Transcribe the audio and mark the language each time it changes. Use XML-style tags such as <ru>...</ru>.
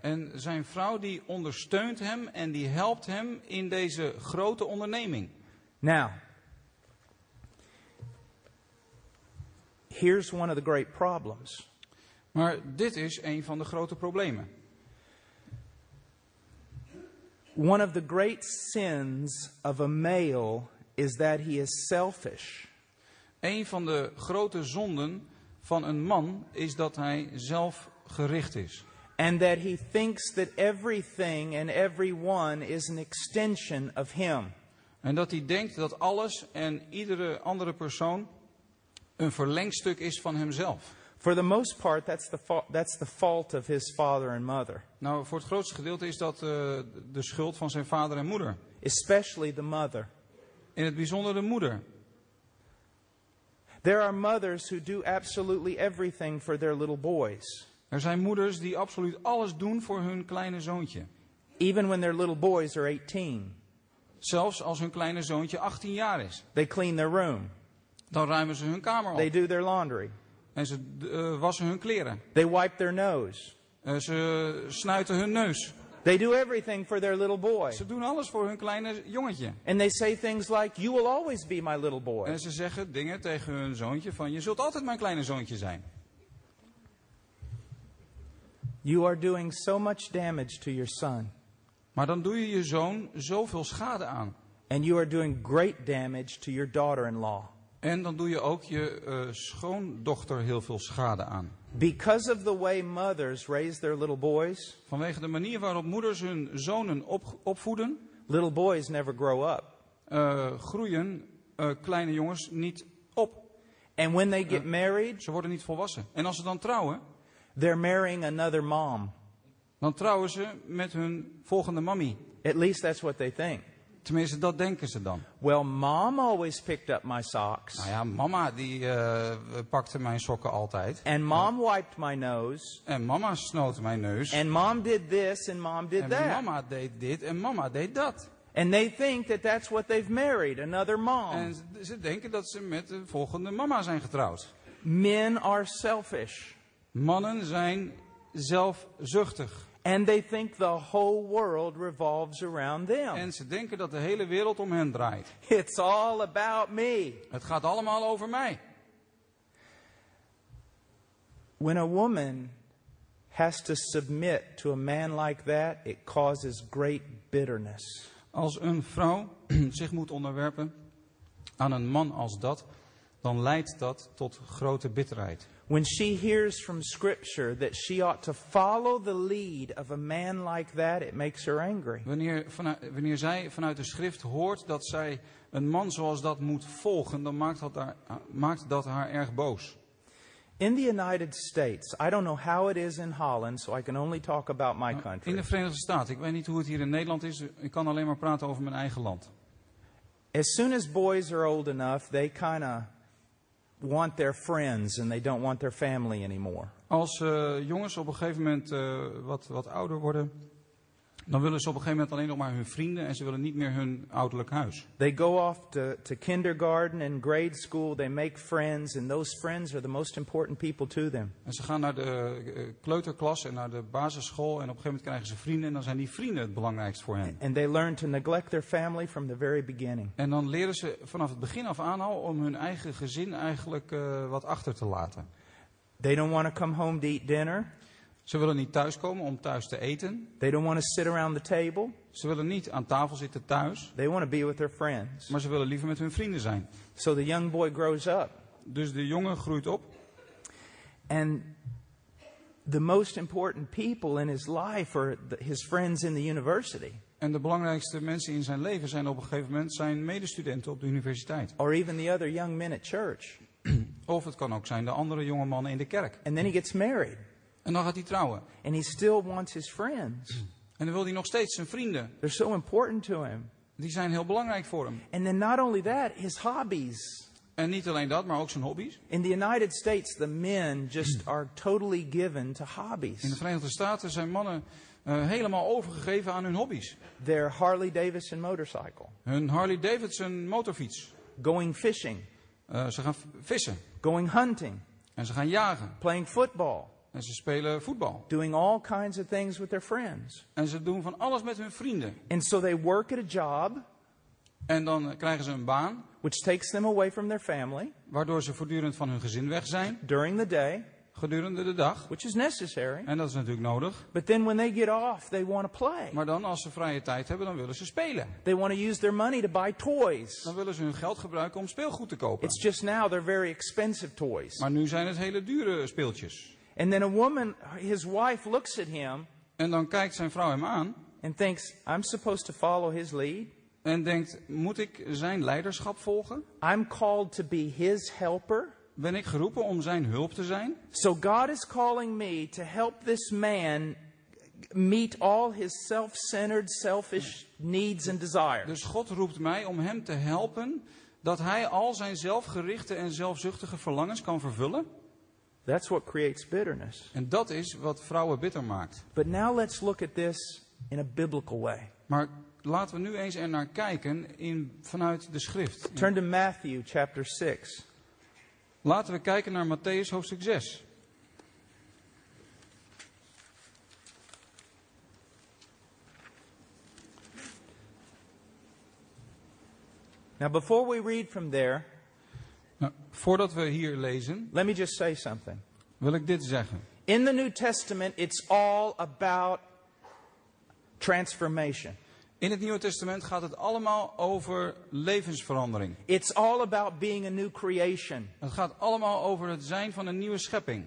<nl>En zijn vrouw die ondersteunt hem en die helpt hem in deze grote onderneming.</nl> <en>Now, here's one of the great problems.</en> <nl>Maar dit is een van de grote problemen.</nl> <en>One of the great sins of a male is that he is selfish.</en> <nl>Een van de grote zonden van een man is dat hij zelfgericht is.</nl> <en>And that he thinks that everything and everyone is an extension of him.</en> <nl>En dat hij denkt dat alles en iedere andere persoon een verlengstuk is van hemzelf.</nl> <en>For the most part, that's the fault of his father and mother.</en> <nl>Nou, voor het grootste gedeelte is dat de schuld van zijn vader en moeder.</nl> <en>Especially the mother.</en> <nl>In het bijzonder de moeder.</nl> <en>There are mothers who do absolutely everything for their little boys.</en> <nl>Er zijn moeders die absoluut alles doen voor hun kleine zoontje.</nl> <en>Even when their little boys are 18.</en> <nl>Zelfs als hun kleine zoontje 18 jaar is.</nl> <en>They clean their room.</en> <nl>Dan ruimen ze hun kamer op.</nl> <en>They do their laundry.</en> <nl>En ze wassen hun kleren.</nl> <en>They wipe their nose.</en> <nl>En ze snuiten hun neus.</nl> <en>They do everything for their little boy.</en> <nl>Ze doen alles voor hun kleine jongetje.</nl> <en>And they say things like, "You will always be my little boy."</en> <nl>En ze zeggen dingen tegen hun zoontje van, "Je zult altijd mijn kleine zoontje zijn."</nl> <en>You are doing so much damage to your son.</en> <nl>Maar dan doe je je zoon zoveel schade aan.</nl> <en>And you are doing great damage to your daughter-in-law.</en> <nl>En dan doe je ook je schoondochter heel veel schade aan.</nl> <en>Because of the way mothers raise their little boys.</en> <nl>Vanwege de manier waarop moeders hun zonen opvoeden.</nl> <en>Little boys never grow up.</en> <nl>Groeien kleine jongens niet op.</nl> <en>And when they get married.</en> <nl>Ze worden niet volwassen. En als ze dan trouwen.</nl> <en>They're marrying another mom.</en> <nl>Dan trouwen ze met hun volgende mammy.</nl> <en>At least that's what they think.</en> <nl>Tenminste, dat denken ze dan.</nl> <en>Well, mom always picked up my socks.</en> <nl>Nou ja, mama die pakte mijn sokken altijd.</nl> <en>And mom wiped my nose.</en> <nl>En mama snoot mijn neus.</nl> <en>And mom did this and mom did that.</en> <nl>En mama deed dit en mama deed dat.</nl> <en>And they think that that's what they've married, another mom.</en> <nl>En ze denken dat ze met de volgende mama zijn getrouwd.</nl> <en>Men are selfish.</en> <nl>Mannen zijn zelfzuchtig.</nl> <en>And they think the whole world revolves around them.</en> <nl>En ze denken dat de hele wereld om hen draait.</nl> <en>It's all about me.</en> <nl>Het gaat allemaal over mij.</nl> <en>When a woman has to submit to a man like that, it causes great bitterness.</en> <nl>Als een vrouw zich moet onderwerpen aan een man als dat, dan leidt dat tot grote bitterheid.</nl> <en>When she hears from scripture that she ought to follow the lead of a man like that, it makes her angry.</en> <nl>Wanneer zij vanuit de schrift hoort dat zij een man zoals dat moet volgen, dan maakt dat haar erg boos.</nl> <en>In the United States, I don't know how it is in Holland, so I can only talk about my country.</en> <nl>In de Verenigde Staten, ik weet niet hoe het hier in Nederland is, ik kan alleen maar praten over mijn eigen land.</nl> <en>As soon as boys are old enough, they kind of want their friends and they don't want their family anymore.</en> <nl>Als jongens op een gegeven moment wat ouder worden, dan willen ze op een gegeven moment alleen nog maar hun vrienden en ze willen niet meer hun ouderlijk huis.</nl> <en>They go off to kindergarten and grade school, they make friends and those friends are the most important people to them.</en> <nl>En ze gaan naar de kleuterklas en naar de basisschool en op een gegeven moment krijgen ze vrienden en dan zijn die vrienden het belangrijkst voor hen.</nl> <en>And they learn to neglect their family from the very beginning.</en> <nl>En dan leren ze vanaf het begin af aan al om hun eigen gezin eigenlijk wat achter te laten.</nl> <en>They don't want to come home to eat dinner.</en> <nl>Ze willen niet thuis komen om thuis te eten.</nl> <en>They don't want to sit around the table.</en> <nl>Ze willen niet aan tafel zitten thuis.</nl> <en>They want to be with their friends.</en> <nl>Maar ze willen liever met hun vrienden zijn.</nl> <en>So the young boy grows up.</en> <nl>Dus de jongen groeit op.</nl> <en>And the most important people in his life are his friends in the university.</en> <nl>En de belangrijkste mensen in zijn leven zijn op een gegeven moment zijn medestudenten op de universiteit.</nl> <en>Or even the other young men at church.</en> <nl>Of het kan ook zijn de andere jonge mannen in de kerk.</nl> <en>And then he gets married.</en> <nl>En dan gaat hij trouwen.</nl> <en>And he still wants his friends.</en> <nl>En dan wil hij nog steeds zijn vrienden.</nl> <en>They're so important to him.</en> <nl>Die zijn heel belangrijk voor hem.</nl> <en>And then not only that, his hobbies.</en> <nl>En niet alleen dat, maar ook zijn hobby's.</nl> <en>In the United States, the men just are totally given to hobbies.</en> <nl>In de Verenigde Staten zijn mannen helemaal overgegeven aan hun hobby's.</nl> <en>Their Harley Davidson motorcycle.</en> <nl>Hun Harley Davidson motorfiets.</nl> <en>Going fishing.</en> <nl>Ze gaan vissen.</nl> <en>Going hunting.</en> <nl>En ze gaan jagen.</nl> <en>Playing football.</en> <nl>En ze spelen voetbal.</nl> <en>Doing all kinds of things with their friends.</en> <nl>En ze doen van alles met hun vrienden.</nl> <en>And so they work at a job.</en> <nl>En dan krijgen ze een baan.</nl> <en>Which takes them away from their family.</en> <nl>Waardoor ze voortdurend van hun gezin weg zijn.</nl> <en>During the day.</en> <nl>Gedurende de dag.</nl> <en>Which is necessary.</en> <nl>En dat is natuurlijk nodig.</nl> <en>But then when they get off, they want to play.</en> <nl>Maar dan als ze vrije tijd hebben, dan willen ze spelen.</nl> <en>They want to use their money to buy toys.</en> <nl>Dan willen ze hun geld gebruiken om speelgoed te kopen.</nl> <en>It's just now they're very expensive toys.</en> <nl>Maar nu zijn het hele dure speeltjes.</nl> <en>And then a woman, his wife looks at him.</en> <nl>En dan kijkt zijn vrouw hem aan.</nl> <en>And thinks, I'm supposed to follow his lead.</en> <nl>En denkt, moet ik zijn leiderschap volgen?</nl> <en>I'm called to be his helper.</en> <nl>Ben ik geroepen om zijn hulp te zijn?</nl> <en>So God is calling me to help this man meet all his self-centered, selfish needs and desires.</en> <nl>Dus God roept mij om hem te helpen dat hij al zijn zelfgerichte en zelfzuchtige verlangens kan vervullen.</nl> <en>That's what creates bitterness.</en> <nl>En dat is wat vrouwen bitter maakt.</nl> <en>But now let's look at this in a biblical way.</en> <nl>Maar laten we nu eens er naar kijken in vanuit de schrift.</nl> <en>Turn to Matthew chapter 6.</en> <nl>Laten we kijken naar Matteüs hoofdstuk 6.</nl> <en>Now before we read from there,</en> <nl>voordat we hier lezen,</nl> <en>let me just say something.</en> <nl>Wil ik dit zeggen.</nl> <en>In the New Testament it's all about transformation.</en> <nl>In het Nieuwe Testament gaat het allemaal over levensverandering.</nl> <en>It's all about being a new creation.</en> <nl>Het gaat allemaal over het zijn van een nieuwe schepping.</nl>